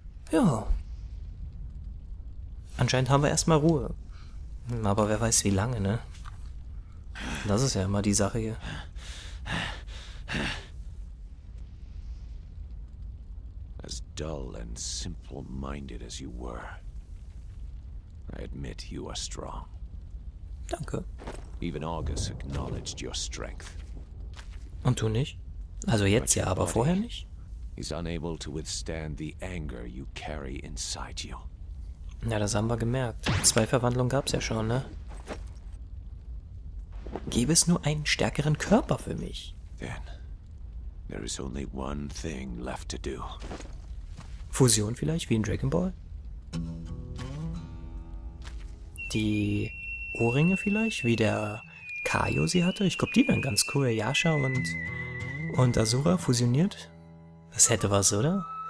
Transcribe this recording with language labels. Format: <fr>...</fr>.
<de>Ja. Anscheinend haben wir erstmal Ruhe. Aber wer weiß, wie lange, ne? Das ist ja immer die Sache hier.</de> <en>As dull and simple-minded as you were, I admit you are strong.</en> <de>Danke.</de> <en>Even August acknowledged your strength.</en> <de>Und du nicht? Also jetzt ja, aber vorher nicht?</de> <en>Is unable to withstand the anger you carry inside you.</en> <de>Na, das haben wir gemerkt. Zwei Verwandlungen gab's ja schon, ne? Gäbe es nur einen stärkeren Körper für mich.</de> <en>Then, there is only one thing left to do.</en> <de>Fusion vielleicht, wie in Dragon Ball? Die Ohrringe vielleicht, wie der Kaio sie hatte? Ich glaube, die wären ganz cool. Yasha und Asura fusioniert. Das hätte was, oder?</de>